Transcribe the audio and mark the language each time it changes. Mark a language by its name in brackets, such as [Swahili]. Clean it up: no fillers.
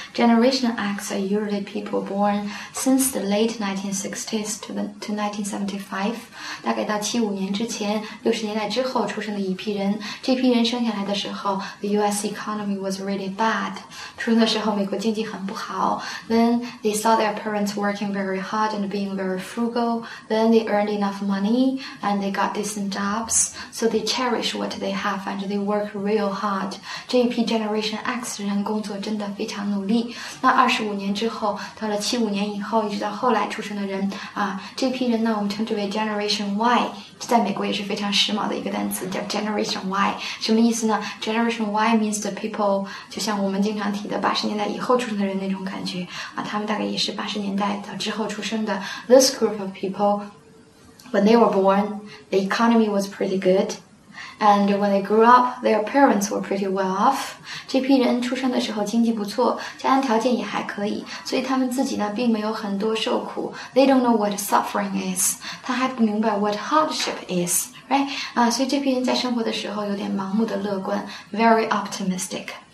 [English] Generation X are usually people born since the late 1960s to 1975, [Chinese] 大概到75年之前60年代之后出生的一批人。这批人生下来的时候 [English] the US economy was really bad. [Chinese] 出生的时候美国经济很不好。 [English] Then they saw their parents working very hard and being very frugal. Then they earned enough money and they got decent jobs. So they cherish what they have and they work real hard. [Chinese] 这一批 Generation X 人工作真的非常努力。那25年之后到了75年以后一直到后来出生的人啊，这批人呢我们称之为 Generation Y， 这在美国也是非常时髦的一个单词叫 Generation Y。什么意思呢？ [English] Generation Y means the people [Chinese] 就像我们经常提的80年代以后出生的人那种感觉啊，他们大概也是80年代到之后出生的。 [English] This group of people when they were born the economy was pretty goodAnd when they grew up, their parents were pretty well off. [Chinese] 这批人出生的时候经济不错，家庭条件也还可以，所以他们自己呢并没有很多受苦。 [English] They don't know what suffering is. [Chinese] 他还不明白 [English] what hardship is, right? [Chinese] 啊，所以这批人在生活的时候有点盲目的乐观 ， [English] very optimistic.